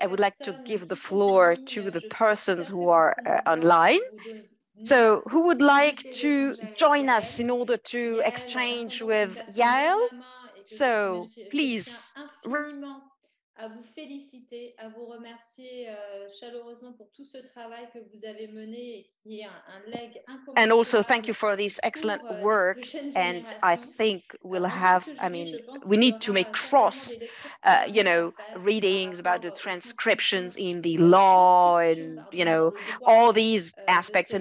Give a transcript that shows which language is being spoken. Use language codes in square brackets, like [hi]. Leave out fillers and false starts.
[en] I would like to give the floor to the persons who are online. So who would like to join us in order to exchange with Yael? So please. [fr] À vous féliciter, à vous remercier chaleureusement pour tout ce travail que vous avez mené et qui est un leg incommensurable. [en] And also thank you for this excellent work, and I think we'll have, I mean, we need to make cross, you know, readings about the transcriptions in the law and, you know, all these aspects.